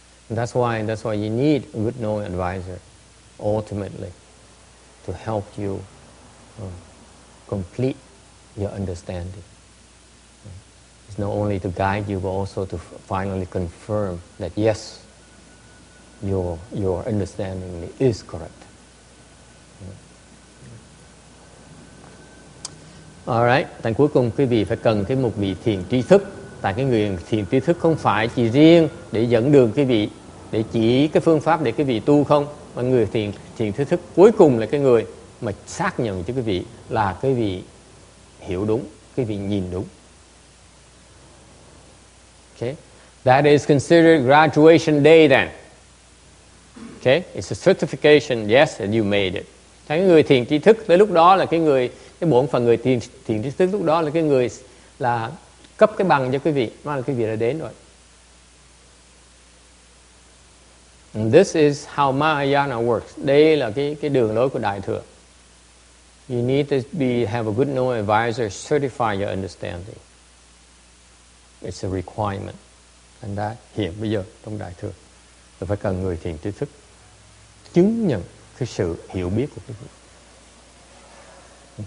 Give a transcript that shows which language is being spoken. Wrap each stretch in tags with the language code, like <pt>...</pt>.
<en>That's why you need a good knowing advisor ultimately to help you complete your understanding. It's not only to guide you but also to finally confirm that yes, your understanding is correct.</en> <vi>Alright, thành cuối cùng quý vị phải cần cái một vị thiền tri thức. Tại cái người thiền tri thức không phải chỉ riêng để dẫn đường quý vị, để chỉ cái phương pháp để quý vị tu không. Mà người thiền tri thức cuối cùng là cái người mà xác nhận cho quý vị là quý vị hiểu đúng, quý vị nhìn đúng.</vi> <en>Okay, that is considered graduation day then. Okay, it's a certification, yes, and you made it.</en> <vi>Thành cái người thiền tri thức tới lúc đó là cái người cái bổn phận người thiền tri thức lúc đó là cái người là cấp cái bằng cho quý vị, mà là quý vị đã đến rồi.</vi> <en>And this is how Mahayana works.</en> <vi>Đây là cái đường lối của Đại Thừa.</vi> <en>You need to have a good knowing advisor certify your understanding. It's a requirement. And that</en> <vi>hiện bây giờ trong Đại Thừa là phải cần người thiền tri thức chứng nhận cái sự hiểu biết của quý vị.</vi>